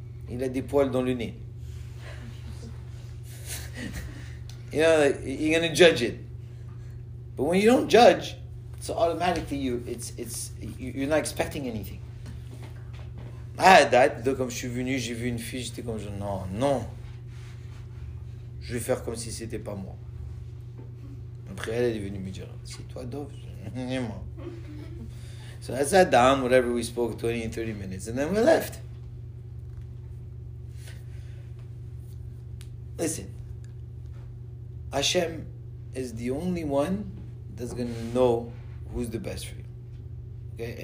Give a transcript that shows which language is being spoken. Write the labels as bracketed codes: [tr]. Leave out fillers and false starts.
[fr] Il a des poils dans le nez. [en] You know, like, you're going to judge it. But when you don't judge, so automatically you're not expecting anything. I had that. [fr] Donc, comme je suis venu, j'ai vu une fille, j'étais comme, non, non. Je vais faire comme si c'était pas moi. Après, elle est venue me dire, c'est toi, Dove? Et moi. [en] So I sat down, whatever, we spoke 20, 30 minutes, and then we left. Listen, Hashem is the only one that's going to know who's the best for you. Okay?